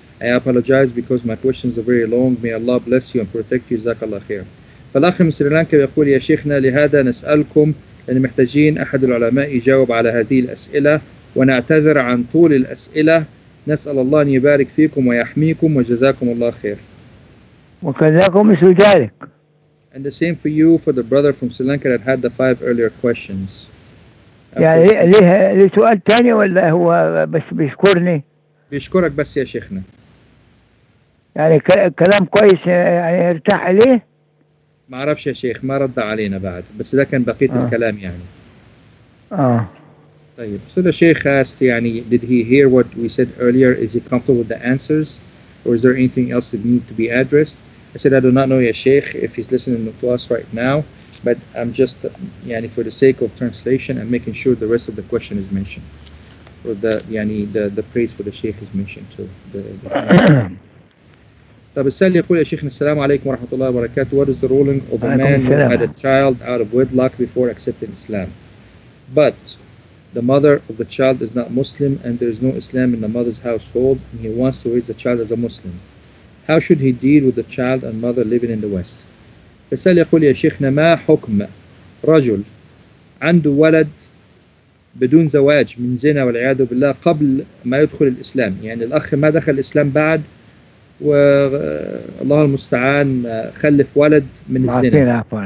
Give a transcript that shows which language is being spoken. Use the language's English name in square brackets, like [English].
[English] I apologize because my questions are very long. May Allah bless you and protect you. [Arabic] جزاك الله خير. فالأخ من سريلانكا بيقول يا شيخنا لهذا نسألكم لأن محتاجين أحد العلماء يجاوب على هذه الأسئلة ونعتذر عن طول الأسئلة. نسأل الله أن يبارك فيكم ويحميكم وجزاكم الله خير. وكذاكم مثل ذلك. [English] And the same for you, for the brother from Sri Lanka that had the five earlier questions. [Arabic] يعني ليه لسؤال تاني ولا هو بس بيشكرني؟ بيشكرك بس يا شيخنا. يعني كلام كويس يعني ارتاح عليه؟ ما عرفش يا شيخ ما رد علينا بعد بس ده كان بقية الكلام يعني. طيب. [English] So the Sheikh asked يعني did he hear what we said earlier? Is he comfortable with the answers? Or is there anything else that needs to be addressed? I said, I do not know ya Sheikh if he's listening to us right now, but I'm just, yani, for the sake of translation, I'm making sure the rest of the question is mentioned. Or the, yani, the praise for the Sheikh is mentioned too. [Arabic] طب السائل يقول يا شيخ السلام عليكم ورحمة الله وبركاته. [English] What is the ruling of a man who had a child out of wedlock before accepting Islam? But the mother of the child is not Muslim and there is no Islam in the mother's household and he wants to raise the child as a Muslim. How should he deal with the child and mother living in the West? [Arabic] فسأل يقول يا شيخنا ما حكم رجل عنده ولد بدون زواج من زنا والعياذ بالله قبل ما يدخل الإسلام؟ يعني الأخ ما دخل الإسلام بعد والله المستعان خلف ولد من الزنا.